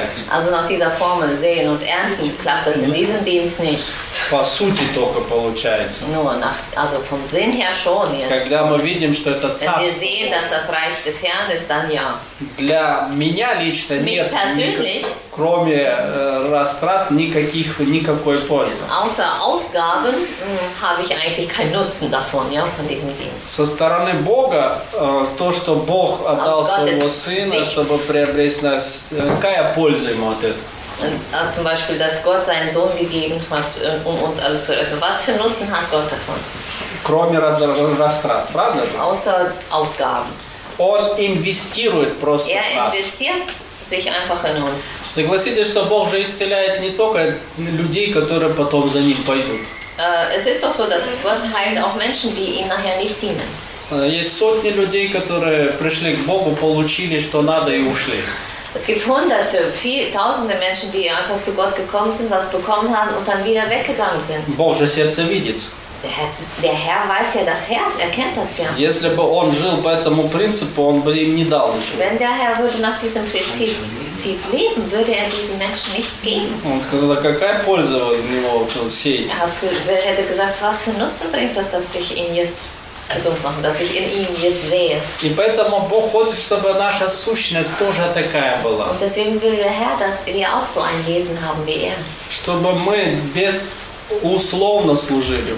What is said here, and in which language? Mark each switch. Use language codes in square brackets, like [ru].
[de] Also nach dieser Formel sehen und ernten klappt das in diesem Dienst nicht. [ru] По сути только получается. [de] Ну, also vom Sinn her schon jetzt. [ru] Когда мы видим, что это царство. [de] Wenn wir sehen, dass das Reich des Herrn ist, dann ja. [ru] Для меня лично нет, кроме растрат, никакой пользы. [de] Außer Ausgaben habe ich eigentlich keinen Nutzen davon, ja, von diesem Dienst. [ru] Со стороны Бога, то, что Бог отдал своего Сына, чтобы приобрести нас, какая польза ему от этого? [de] Und zum Beispiel, dass Gott seinen Sohn gegeben hat, um uns alle zu retten. Was für Nutzen hat Gott davon? [ru] Кроме растрат, правда? [de] Außer Ausgaben. [ru] Он инвестирует просто. [de] Er investiert sich einfach in uns. [ru] Согласитесь, что Бог же исцеляет не только людей, которые потом за ним пойдут. [de] Es ist doch so, dass Gott heilt auch Menschen, die ihm nachher nicht dienen. [ru] Есть сотни людей, которые пришли к Богу, получили, что надо, и ушли. [de] Es gibt hunderte, tausende Menschen, die einfach zu Gott gekommen sind, was bekommen haben und dann wieder weggegangen sind. [ru] Бог же сердце видит. [de] Der Herr weiß ja das Herz, er kennt das ja. [ru] Если бы он жил по этому принципу, он бы им не дал ничего. [de] Wenn der Herr würde nach diesem Prinzip leben, würde er diesen Menschen nichts geben. [ru] Он сказал, какая польза у него сеять? [de] Er hätte gesagt, was für Nutzen bringt das, dass ich ihn jetzt... Also machen, dass ich in ihm jetzt sehe. [ru] И поэтому Бог хочет, чтобы наша сущность тоже такая была. [de] Und deswegen will der Herr, dass wir auch so ein Wesen haben wie er. [ru] Чтобы мы безусловно служили Богу.